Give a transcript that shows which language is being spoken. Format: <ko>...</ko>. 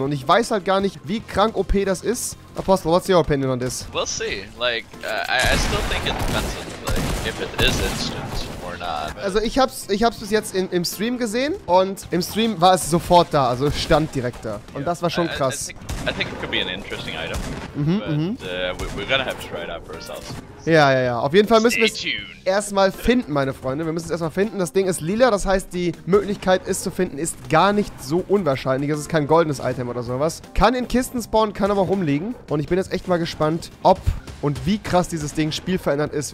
<de>Und ich weiß halt gar nicht, wie krank OP das ist.</de> <en>Apostel, what's your opinion on this? We'll see. Like, I still think it depends on, like, if it is instant.</en> <de>Also ich hab's bis jetzt im Stream gesehen und im Stream war es sofort da, also stand direkt da. Und das war schon krass.</de> <en>I think it could be an interesting item. We're gonna have to try it out for ourselves.</en> <de>Ja. Auf jeden Fall müssen wir es erstmal finden, meine Freunde. Wir müssen es erstmal finden. Das Ding ist lila, das heißt, die Möglichkeit, es zu finden, ist gar nicht so unwahrscheinlich. Es ist kein goldenes Item oder sowas. Kann in Kisten spawnen, kann aber rumliegen. Und ich bin jetzt echt mal gespannt, ob und wie krass dieses Ding spielverändernd ist.</de>